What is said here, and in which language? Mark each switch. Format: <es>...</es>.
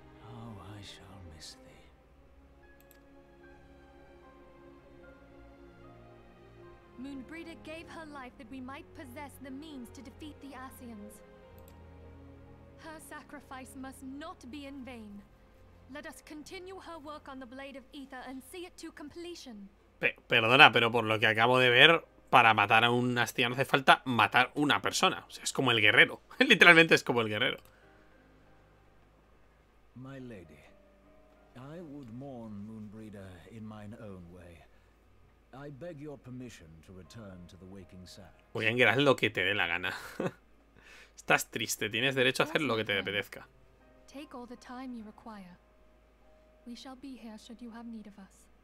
<en>Oh, I shall miss thee. Moonbreeder gave her life that we might possess the means to defeat the Asians. Her sacrifice must not be in vain. Let us continue her work on the Blade of Aether and see it to completion.</en> <es>Perdona, pero por lo que acabo de ver, para matar a un Astia no hace falta matar una persona. O sea, es como el guerrero. Literalmente es como el guerrero.</es> <en>My lady, I would mourn Moonbreeder in mine own way. I beg your permission to return to the Waking Sands.</en> <es>Voy a engrasar lo que te dé la gana. Estás triste, tienes derecho a hacer lo que te apetezca.</es> <en>Take all the time you require. We shall be here should you have need of us.</en>